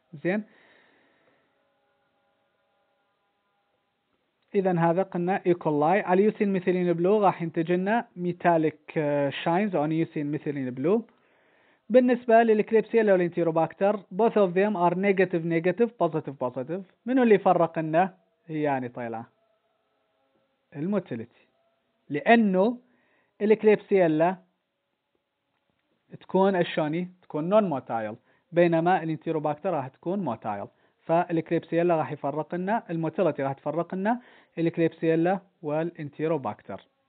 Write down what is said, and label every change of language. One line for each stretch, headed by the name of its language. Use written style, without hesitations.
Arabic: زين، اذا هذا قلنا ايكولاي. على اليوسين ميثيلين بلو راح ينتج لنا ميتاليك شاينز اون يوسين ميثيلين بلو. بالنسبة للكليبسيلا والانتيروباكتر
English: both of them are negative negative positive positive.
Arabic: منو اللي فرقنا؟ يعني طيلة الموتيليتي، لأنه الكليبسيلا تكون أشاني تكون non motile، بينما الانتيروباكتر راح تكون موتايل. فالكليبسيلا راح يفرق لنا الموتيلتي راح تفرق لنا الكليبسيلا والانتيروباكتر.